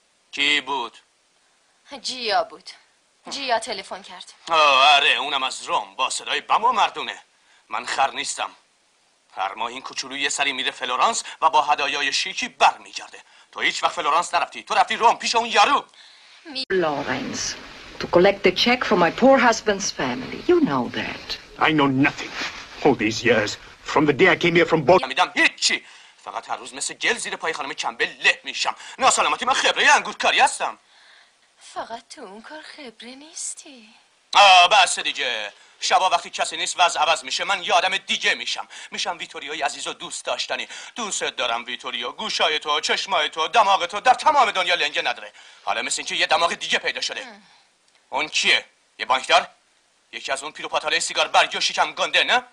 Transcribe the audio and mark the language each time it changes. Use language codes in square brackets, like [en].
[fa] کی بود؟ جیا بود. جیا تلفن کرد. آره، اونم از روم با صدای بم و مردونه. من خر نیستم. هر ماه این کوچولو یه سری میره فلورانس و با هدایای شیکی برمیگرده. تو هیچ وقت فلورانس نرفتی. تو رفتی روم پیش اون یارو. [en] Lawrence, to collect the check for my poor husband's family. You know that. I know nothing. All these years, from the day I came here from Bolton. [fa] نمیدم هیچی. فقط هر روز مثل گل زیر پای خانم کمبل له میشم. ناسلامتی من خبره انگورکاری هستم. فقط تو اون کار خبره نیستی. آه بس دیگه. شبا وقتی کسی نیست وضع عوض میشه من یادم دیگه میشم میشم ویتوریای عزیز و دوست داشتنی دوست دارم ویتوریا گوشای تو چشمای تو دماغ تو در تمام دنیا لنگه نداره حالا مثل اینکه یه دماغ دیگه پیدا شده اون کیه؟ یه بانکدار؟ یکی از اون پیروپاتاله سیگار برگ و شکم گنده نه؟